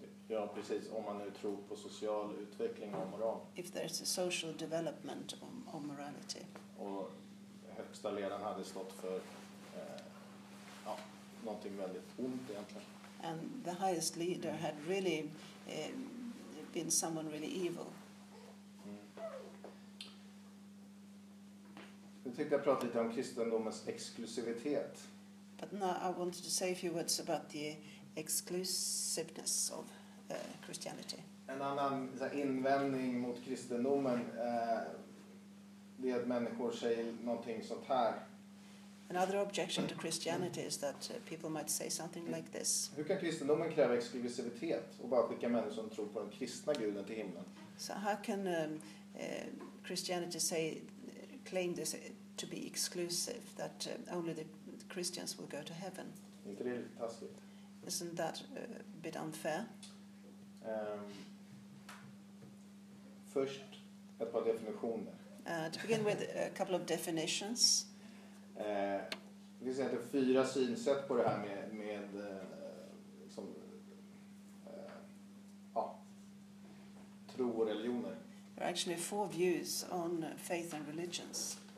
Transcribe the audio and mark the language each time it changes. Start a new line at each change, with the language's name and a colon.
Swedish: Ja, precis, om man nu tror på social utveckling och moral.
English: If there's a social development of morality.
Swedish: Och högsta ledaren hade stått för någonting väldigt ont egentligen.
English: And the highest leader had really been someone really evil.
Swedish: Nu tänkte jag prata lite om kristendomens exklusivitet.
English: But now I wanted to say a few words about the exclusiveness of Christianity.
Swedish: En annan så här, invändning mot kristendomen det är att människor säger någonting sånt här.
English: Another objection to Christianity is that people might say something like this.
Swedish: Hur kan kristendomen kräva exklusivitet och bara skicka människor som tror på den kristna guden till himlen?
English: So how can Christianity say claim this to be exclusive, that only the Christians will go to heaven?
Swedish: Inte det är lite taskigt.
English: Isn't that a bit unfair?
Swedish: Först ett par definitioner.
English: To begin with a couple of definitions.
Swedish: Det finns egentligen fyra synsätt på det här med som tro och religioner.
English: There are actually four views on faith and religions.